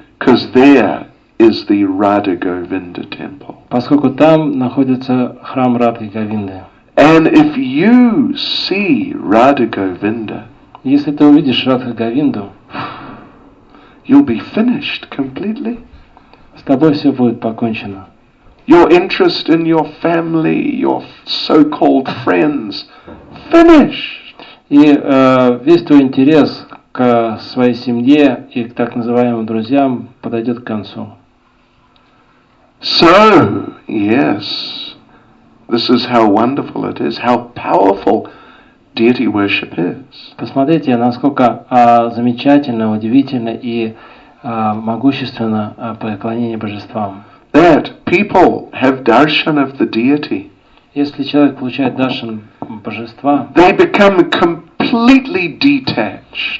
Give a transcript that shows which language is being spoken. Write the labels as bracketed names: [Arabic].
[English] Because there is the Radha Govinda temple. [Russian] Поскольку там находится храм Радхи Говинды. [English] And if you see Radha Govinda, [Russian] если ты увидишь Радхи Говинду, [English] you'll be finished completely. [Russian] С тобой все будет покончено. [English] Your interest in your family, your so-called friends, finished. [Russian] И весь твой интерес к своей семье и к так называемым друзьям подойдет к концу. [English] So, yes, this is how wonderful it is, how powerful deity worship is. [Russian] Посмотрите, насколько замечательно, удивительно и могущественно поклонение божествам. [English] that people have darshan of the deity, [Russian] если человек получает даршан божества, [English] they become completely detached,